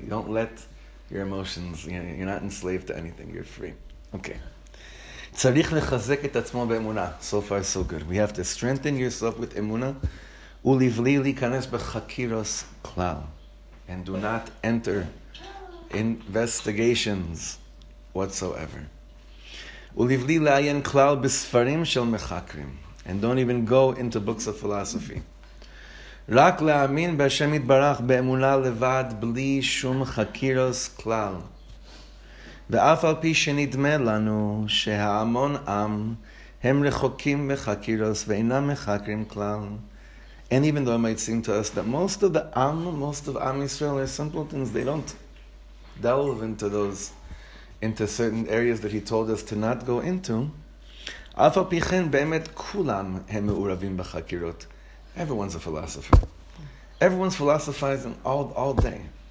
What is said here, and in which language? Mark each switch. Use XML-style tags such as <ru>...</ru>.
<en>Don't let your emotions, you're not enslaved to anything. You're free. Okay.</en> <he>צריך לחזק את עצמו באמונה.</he> <en>So far, so good. We have to strengthen yourself with emunah.</en> <he>ולבלי להיכנס בחקירות כלל.</he> <en>And do not enter investigations whatsoever.</en> <he>ולבלי לעיין כלל בספרים של מחקרים.</he> <en>And don't even go into books of philosophy.</en> <he>רק להאמין בהשם יתברך באמונה לבד בלי שום חקירות כלל. ואף על פי שנדמה לנו שהאמון עם הם רחוקים מחקירות ואינם מחקרים כלל.</he> <en>And even though it might seem to us that most of Am Yisrael are simpletons, they don't delve into those, into certain areas that he told us to not go into.</en> <he>Af al pi chen be'emet kulam hem me'uravim b'chakirot.</he> <en>Everyone's a philosopher. Everyone's philosophizing all day.</en>